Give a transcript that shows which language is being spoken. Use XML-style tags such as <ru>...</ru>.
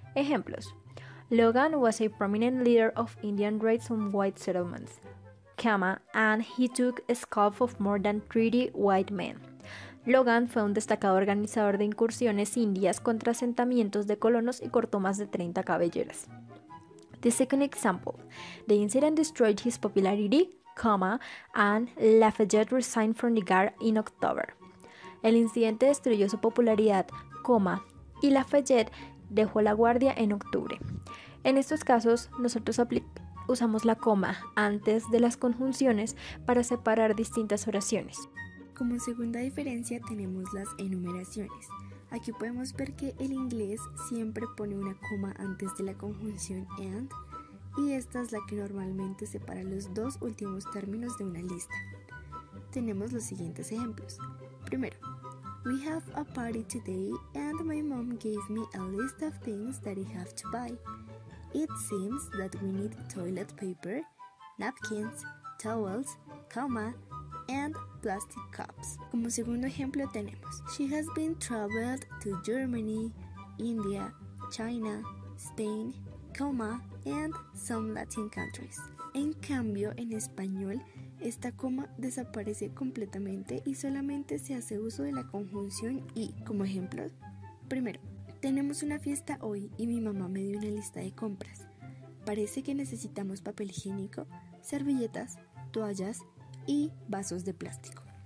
<en>Ejemplos: Logan was a prominent leader of Indian raids on white settlements, comma, and he took a scalp of more than 30 white men.</en> <es>Logan fue un destacado organizador de incursiones indias contra asentamientos de colonos y cortó más de 30 cabelleras.</es> <en>The second example: The incident destroyed his popularity, comma, and Lafayette resigned from the guard in October.</en> <es>El incidente destruyó su popularidad, comma, y Lafayette dejó la guardia en octubre. En estos casos, nosotros usamos la coma antes de las conjunciones para separar distintas oraciones. Como segunda diferencia tenemos las enumeraciones. Aquí podemos ver que el inglés siempre pone una coma antes de la conjunción and, y esta es la que normalmente separa los dos últimos términos de una lista. Tenemos los siguientes ejemplos.</es> <en>Primero, we have a party today and my mom gave me a list of things that I have to buy. It seems that we need toilet paper, napkins, towels, comma, and plastic cups.</en> <es>Como segundo ejemplo tenemos,</es> <en>she has been traveled to Germany, India, China, Spain, comma, and some Latin countries.</en> <es>En cambio, en español, esta coma desaparece completamente y solamente se hace uso de la conjunción y. Como ejemplo, primero, tenemos una fiesta hoy y mi mamá me dio una lista de compras. Parece que necesitamos papel higiénico, servilletas, toallas y vasos de plástico.</es>